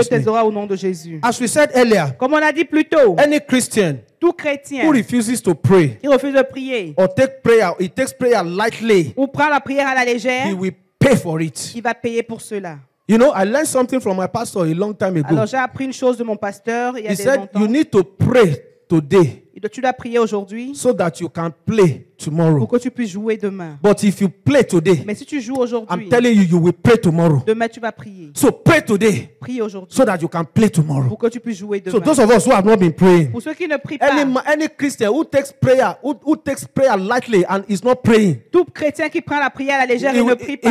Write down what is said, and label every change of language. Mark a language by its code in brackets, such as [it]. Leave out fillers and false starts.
[fr] Et Dieu t'aidera au nom de Jésus. [en] As we said earlier. [fr] Comme on a dit plus tôt. [en] Any Christian. [fr] Tout chrétien. [en] Who refuses to pray. [fr] Qui refuse de prier. [en] Or take prayer. He takes prayer lightly. [fr] Ou prend la prière à la légère. [en] He will pay for it. [fr] Il va payer pour cela. [en] You know, I learned something from my pastor a long time ago. [fr] Alors j'ai appris une chose de mon pasteur il y a longtemps. [en] He said, you need to pray today. [fr] Tu dois prier aujourd'hui [en] so that you can play tomorrow. [fr] Pour que tu puisses jouer demain. [en] But if you play today, [fr] mais si tu joues aujourd'hui, [en] I'm telling you, you will play tomorrow. [fr] Demain, tu vas prier. [en] So pray today. [fr] Prie aujourd'hui. [en] So that you can play tomorrow. [fr] Pour que tu puisses jouer demain. [en] So those of us who have not been praying, [fr] pour ceux qui ne prient pas, [en] any Christian who takes prayer, who takes prayer lightly and is not praying, [fr] tout chrétien qui prend la prière à la légère et ne prie pas,